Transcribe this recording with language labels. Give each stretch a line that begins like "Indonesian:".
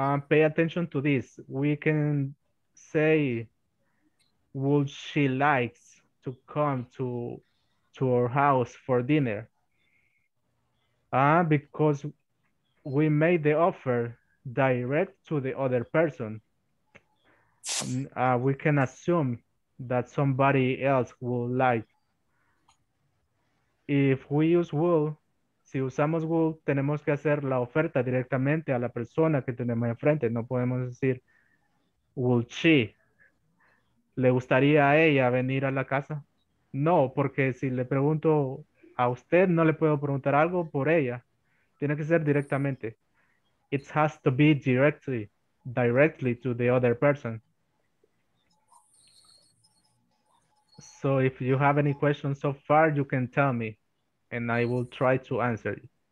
English: Pay attention to this. We can say, would she likes to come to our house for dinner? Because we made the offer direct to the other person. We can assume that somebody else will like. If we use will,
Spanish: si usamos will, tenemos que hacer la oferta directamente a la persona que tenemos enfrente. No podemos decir,
English: will she?
Spanish: ¿Le gustaría a ella venir a la casa? No, porque si le pregunto a usted, no le puedo preguntar algo por ella. Tiene que ser directamente.
English: It has to be directly to the other person. So if you have any questions so far, you can tell me and I will try to answer you.